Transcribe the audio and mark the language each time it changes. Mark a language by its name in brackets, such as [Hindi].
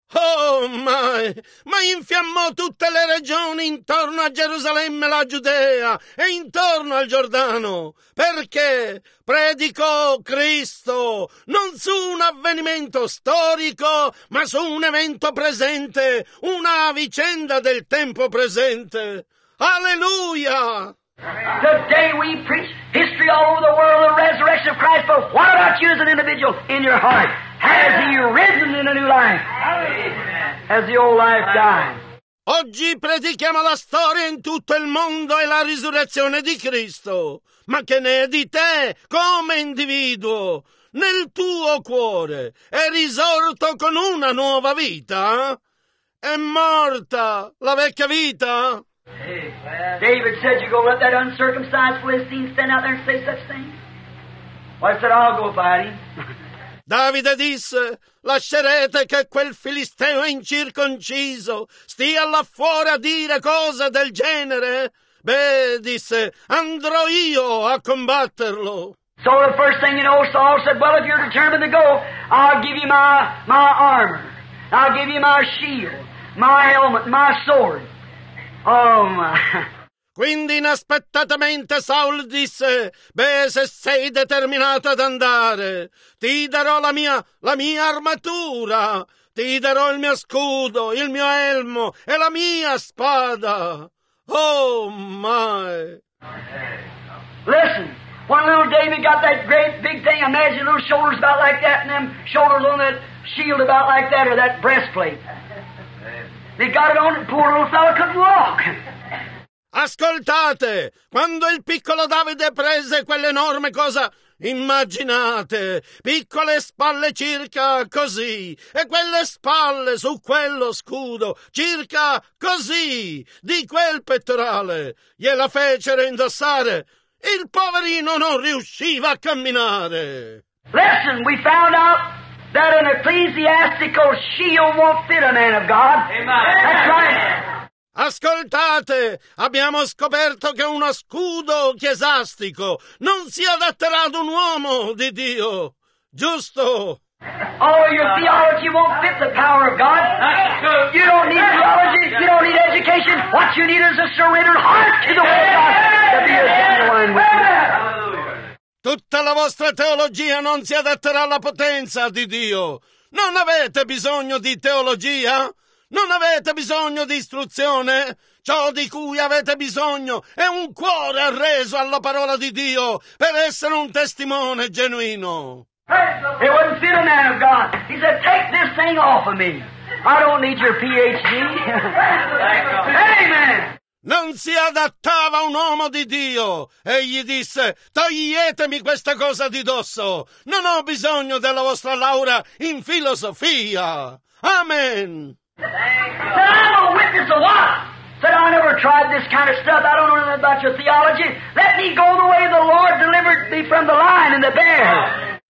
[Italian] Oh, ma infiammò tutte le regioni intorno a Gerusalemme, la Giudea e intorno al Giordano, perché predicò Cristo non su un avvenimento storico, ma su un evento presente, una vicenda del tempo presente. Alleluia! [English] Today we preach history all over the world, the resurrection of Christ, but what about you as an individual in your heart? Has he risen in a new life? Has the old life died? [Italian] Oggi predichiamo la storia in tutto il mondo e la risurrezione di Cristo. Ma che ne è di te come individuo? Nel tuo cuore è risorto con una nuova vita? È morta la vecchia vita? [English] David said, you go let that uncircumcised Philistine stand out there and say such things? Well, I said, I'll go fight him. [Italian] Davide disse, lascerete che quel filisteo incirconciso stia là fuori a dire cose del genere? Beh, disse, andrò io a combatterlo. [English] So the first thing you know, Saul said, well, if you're determined to go, I'll give you my armor. I'll give you my shield, my helmet, my sword. Oh, my... [Italian] Quindi inaspettatamente Saul disse, beh, se sei determinato ad andare, ti darò la mia armatura, ti darò il mio scudo, il mio elmo e la mia spada. [English] Oh, my! Listen, when little David got that great big thing, imagine little shoulders about like that and them shoulders on that shield about like that or that breastplate. They got it on and poor little fella couldn't walk. [Italian] Ascoltate, quando il piccolo Davide prese quell'enorme cosa, immaginate, piccole spalle circa così, e quelle spalle su quello scudo, circa così, di quel pettorale, gliela fecero indossare. Il poverino non riusciva a camminare. [English] Listen, we found out that an ecclesiastical shield won't fit a man of God. Amen. That's right. [Italian] Ascoltate, abbiamo scoperto che uno scudo chiesastico non si adatterà ad un uomo di Dio, giusto? [English] Oh, your theology won't fit the power of God. You don't need theology, you don't need education. What you need is a surrendered heart to the will of God to be a genuine witness. [Italian] Tu Tutta la vostra teologia non si adatterà alla potenza di Dio. Non avete bisogno di teologia? Non avete bisogno di istruzione? Ciò di cui avete bisogno è un cuore arreso alla parola di Dio per essere un testimone genuino. [English] It wasn't still a man of God. He said, take this thing off of me. I don't need your PhD. Amen. [Italian] Non si adattava un uomo di Dio. Egli disse, toglietemi questa cosa di dosso. Non ho bisogno della vostra laurea in filosofia. Amen. [English] Said, I'm a witness of what? Said, I never tried this kind of stuff. I don't know anything about your theology. Let me go the way the Lord delivered me from the lion and the bear.